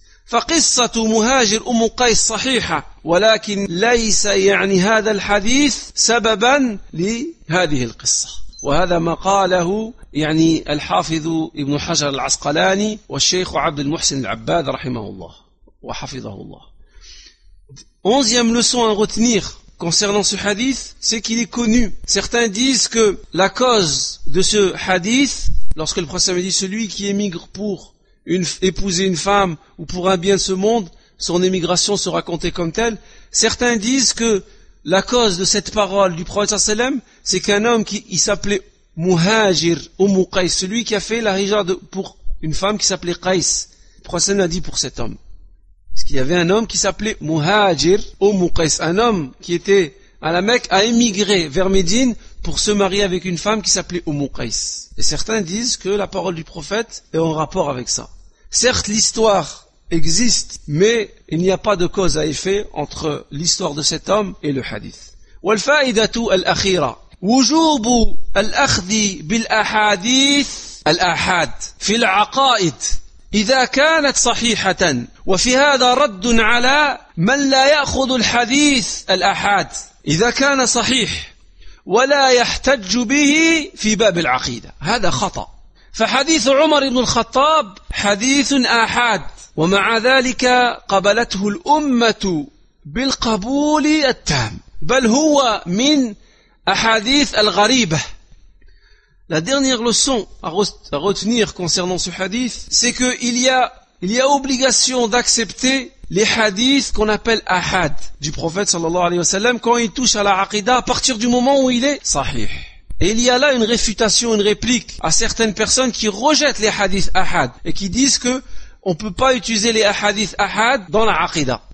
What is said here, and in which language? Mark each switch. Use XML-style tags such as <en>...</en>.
<ar>فقصة مهاجر أم قيس صحيحة ولكن ليس يعني هذا الحديث سببا لهذه القصة وهذا ما قاله يعني الحافظ ابن حجر العسقلاني والشيخ عبد المحسن العباد رحمه الله وحفظه الله.</ar> <fr>11e leçon à retenir concernant ce hadith, c'est qu'il est connu. Certains disent que la cause de ce hadith, lorsque le prophète dit celui qui émigre pour épouser une femme ou pour un bien de ce monde, son émigration sera comptée comme telle. Certains disent que la cause de cette parole du prophète sallam, c'est qu'un homme qui il s'appelait Muhajir Umu Qais, celui qui a fait la hijra pour une femme qui s'appelait Qais. Le prophète a dit pour cet homme. Parce qu'il y avait un homme qui s'appelait Muhajir Umu Qais, un homme qui était à la Mecque, a émigré vers Médine pour se marier avec une femme qui s'appelait Umu Qais. Et certains disent que la parole du prophète est en rapport avec ça. Certes, l'histoire existe, mais il n'y a pas de cause à effet entre l'histoire de cet homme et le hadith.</fr> <ar>والفائدة الأخيرة وجوب الأخذ بالأحاديث الآحاد في العقائد إذا كانت صحيحة وفي هذا رد على من لا يأخذ الحديث الآحاد إذا كان صحيح ولا يحتج به في باب العقيدة هذا خطأ فحديث عمر بن الخطاب حديث آحاد ومع ذلك قبلته الأمة بالقبول التام بل هو من أحاديث الغريبة.</ar> <fr>La dernière leçon à retenir concernant ce hadith, c'est que il y a obligation d'accepter les hadiths qu'on appelle ahad du prophète sallallahu alayhi wa sallam quand il touche à la aqidah à partir du moment où il est sahih. Et il y a là une réfutation, une réplique à certaines personnes qui rejettent les hadiths ahad et qui disent que on peut pas utiliser les hadiths ahad dans la aqidah.</fr>